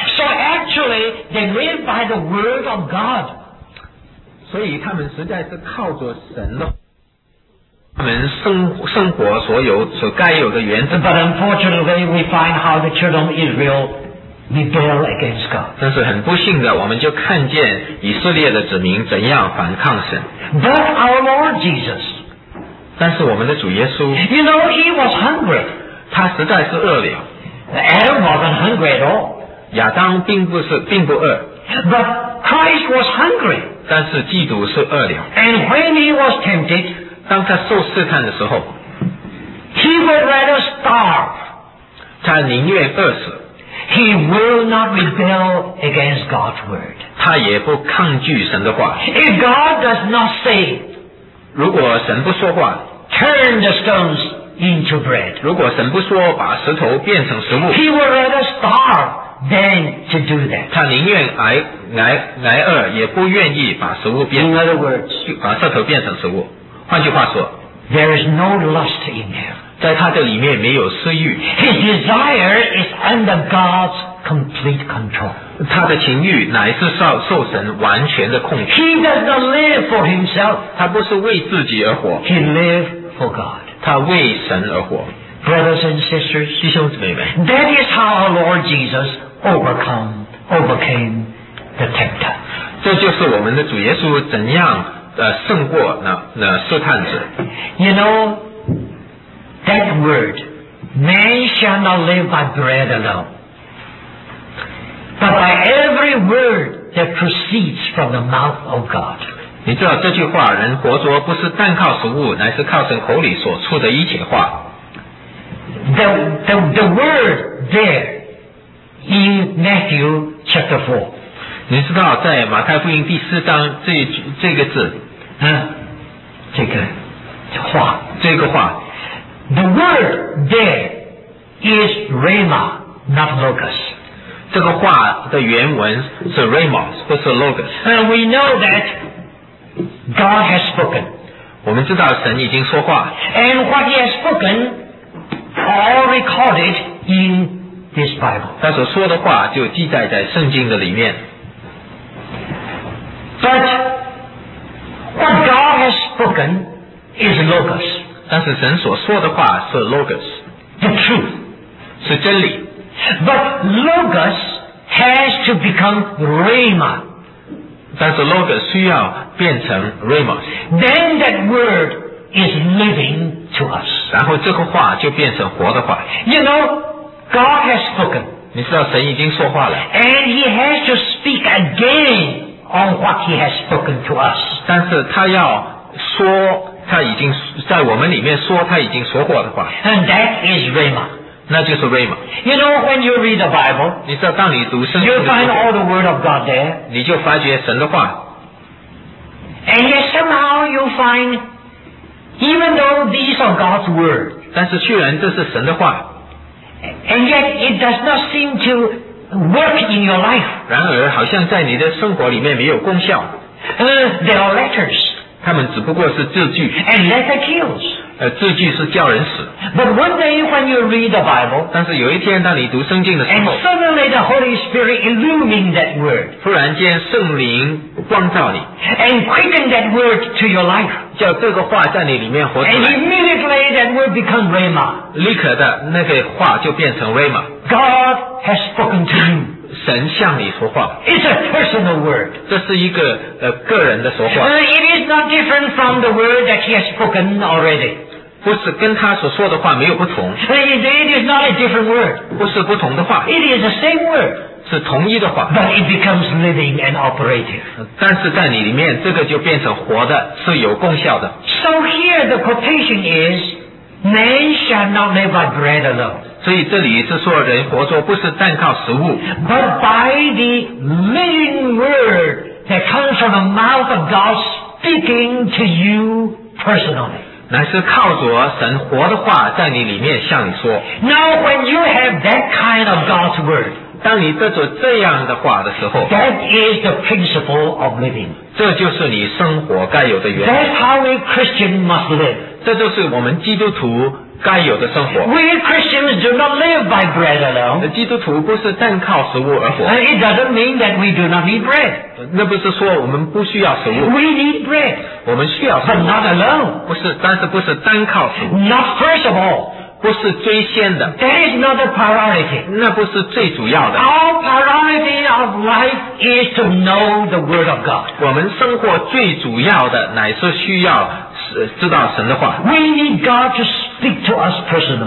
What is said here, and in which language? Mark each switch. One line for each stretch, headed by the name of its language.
English: so actually they live by the word of God
Chinese: 所以他们实在是靠着神的他们 生活所有所该有的原则
English: but unfortunately we find how the children of Israel rebel against God
Chinese: 但是很不幸的我们就看见以色列的子民怎样反抗神
English: but our Lord Jesus
Chinese: 但是我们的主耶稣
English: you know he was hungry
Chinese: 他实在是饿了。
English: Adam wasn't hungry at all.
Chinese: 亚当并不饿。
English: But Christ was hungry.
Chinese: 但是基督是饿了。
English: And when he was tempted,
Chinese: 当他受试探的时候
English: he would rather starve.
Chinese: 他宁愿饿死。
English: He will not rebel against God's word.
Chinese: 他也不抗拒神的话。
English: If God does not say,
Chinese: 如果神不说话
English: turn the stones. Into bread.
Chinese: 如果神不说把石头变成食物
English: He would rather starve than to do that.
Chinese: 他宁愿挨饿也不愿意把食物变
English: In other words,
Chinese: 把石头变成食物换句话说
English: There is no lust in him.
Chinese: 在他的里面没有私欲
English: His desire is under God's complete control.
Chinese: 他的情欲乃是受神完全的控制
English: He does not live for himself.
Chinese: 他不是为自己而活
English: He lives for God.
Chinese: 他为神而活
English: Brothers and sisters,
Chinese: 弟兄姊妹们
English: That is how our Lord Jesus overcame the tempter.
Chinese: 这就是我们的主耶稣怎样胜过那试探者
English: You know, that word, man shall not live by bread alone, but by every word that proceeds from the mouth of God.
Chinese: 你知道这句话人活着不是单靠食物乃是靠神口里所出的一切话
English: the word there in Matthew chapter 4
Chinese: 你知道在马太福音第四章这个字、这个话
English: the word there is rhema not logos
Chinese: 这个话的原文是 rhema 不是 logos
English: and we know thatGod has spoken.
Chinese: 我们知道神已经说话。
English: And what he has spoken are recorded in this Bible.
Chinese: 他所说的话就记载在圣经的里面。
English: But what God has spoken is logos.
Chinese: 但是神所说的话是 logos.
English: The truth.
Chinese: 是真理。
English: But logos has to become rhema.
Chinese: 但是 Logos 需要变成 Rhema
English: Then that word is living to us
Chinese: 然后这个话就变成活的话
English: You know, God has spoken
Chinese: 你知道神已经说话了
English: And he has to speak again on what he has spoken to us
Chinese: 但是他要说他已经在我们里面说他已经说过的话
English: And that is Rhema
Chinese: 那就是 Rhema
English: You know, when you read the Bible,
Chinese: 你知道当你读圣经的时候
English: you find all the word of God there,
Chinese: 你就发觉神的话。
English: And yet somehow you find, even though these are God's word,
Chinese: 但是虽然这是神的话。
English: And yet it does not seem to work in your life.
Chinese: 然而好像在你的生活里面没有功效。
English: There are letters.
Chinese: 他们只不过是字句。
English: And letter kills.
Chinese: 字句是叫人死。
English: But one day when you read the Bible,
Chinese: 但是有一天当你读圣经的时候
English: ，and suddenly the Holy Spirit illumined that word.
Chinese: 突然间圣灵光照你
English: ，and quickened that word to your life.
Chinese: 叫这个话在你里面活出来。
English: And immediately that word become rhema.
Chinese: 立刻的那个话就变成 rhema。
English: God has spoken to you.
Chinese: 神向你说话
English: It's a personal word.
Chinese: 这是一个个人的说话
English: It is not different from the word that he has spoken already.
Chinese: 不是跟他所说的话没有不同
English: It is not a different word.
Chinese: 不是不同的话
English: It is the same word.
Chinese: 是同一的话
English: But it becomes living and operative.
Chinese: 但是在你里面这个就变成活的是有功效的
English: So here the quotation is Man shall not live by bread alone.
Chinese: 所以这里是说人活着不是单靠食物
English: But by the living word that comes from the mouth of God speaking to you personally
Chinese: 乃是靠着神活的话在你里面向你说
English: Now when you have that kind of God's word
Chinese: 当你得着这样的话的时候
English: That is the principle of living
Chinese: 这就是你生活该有的原
English: 因 That's how a Christian must live
Chinese: 这就是我们基督徒该有的生活
English: We Christians do not live by bread alone
Chinese: 基督徒不是单靠食物而活
English: It doesn't mean that we do not need bread
Chinese: 那不是说我们不需要食物
English: We need bread
Chinese: 我们需要食物
English: But not alone
Chinese: 不是但是不是单靠食物
English: Not first of all
Chinese: 不是最先的
English: That is not the priority
Chinese: 那不是最主要的
English: Our priority of life is to know the word of God
Chinese: 我们生活最主要的乃是需要知道神的话
English: We need God to speak to us personally